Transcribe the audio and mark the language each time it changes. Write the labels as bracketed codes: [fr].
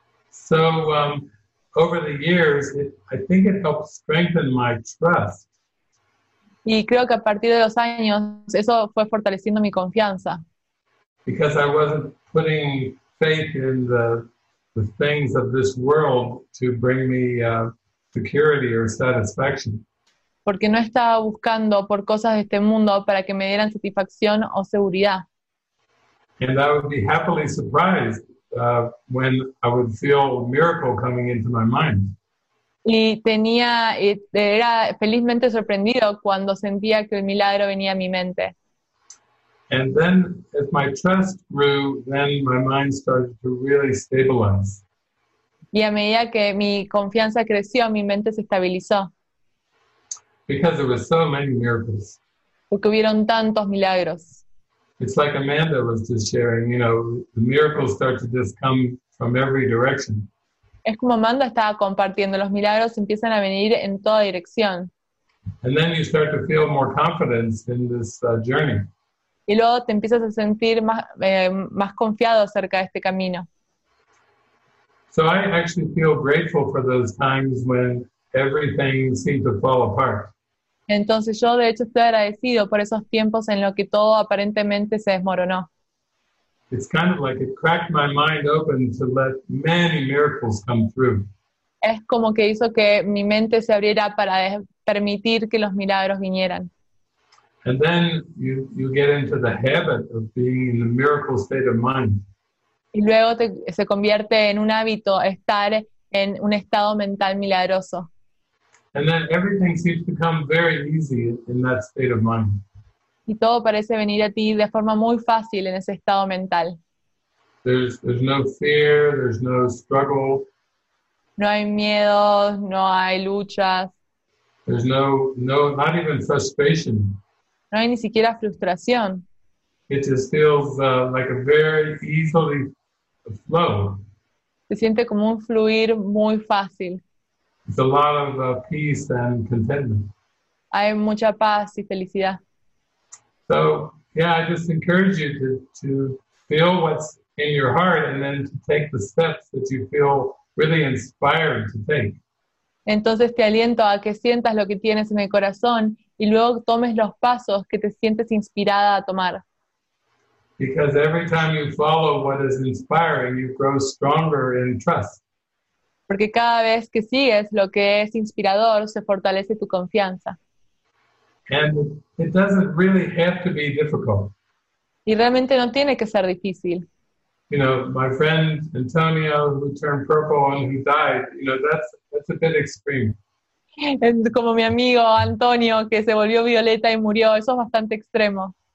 [en] So, over the years, I think it helped strengthen my trust. [es] Y creo que a partir de los años, eso fue fortaleciendo mi confianza. [en] because I wasn't putting faith in the things of this world to bring me security or satisfaction. [es] Porque no estaba buscando por cosas de este mundo para que me dieran satisfacción o seguridad. [en] And I would be happily surprised when I would feel a miracle coming into my mind. [es] Y tenía, era felizmente sorprendido cuando sentía que el milagro venía a mi mente. [en] And then as my trust grew, then my mind started to really stabilize. [es] Y a medida que mi confianza creció, mi mente se estabilizó. [en] Because there were so many miracles. [es] Porque hubieron tantos milagros. [en] It's like Amanda was just sharing, you know, the miracles start to just come from every direction. [es] Es como Amanda estaba compartiendo, los milagros empiezan a venir en toda dirección. [en] And then you start to feel more confidence in this journey. [es] Y luego te empiezas a sentir más, más confiado acerca de este camino. [en] So I actually feel grateful for those times when everything seemed to fall apart. [es] Entonces yo de hecho estoy agradecido por esos tiempos en los que todo aparentemente se desmoronó. [en] It's kind of like it cracked my mind open to let many miracles come through. [es] Es como que hizo que mi mente se abriera para permitir que los milagros vinieran. [en] And then you get into the habit of being in the miracle state of mind. [es] Y luego se convierte en un hábito estar en un estado mental milagroso. [en] And then everything seems to come very easy in that state of mind. [es] Y todo parece venir a ti de forma muy fácil en ese estado mental. [en] There's no fear, there's no struggle. [es] No hay miedos, no hay luchas. [en] There's no not even frustration. [es] No hay ni siquiera frustración. [en] It just feels like a very easily flow. [es] Se siente como un fluir muy fácil. [en] It's a lot of peace and contentment. [es] Hay mucha paz y felicidad. [en] So, yeah, I just encourage you to feel what's in your heart and then to take the steps that you feel really inspired to take. [es] Entonces te aliento a que sientas lo que tienes en el corazón y luego tomes los pasos que te sientes inspirada a tomar. [en] Because every time you follow what is inspiring, you grow stronger in trust. [es] Porque cada vez que sigues lo que es inspirador, se fortalece tu confianza. [en] And it doesn't really have to be difficult. [es] Y realmente no tiene que ser difícil. [en] You know, my friend Antonio, who turned purple and he died, you know, that's a bit extreme. [es] Como mi amigo Antonio, que se volvió violeta y murió, eso es bastante extremo.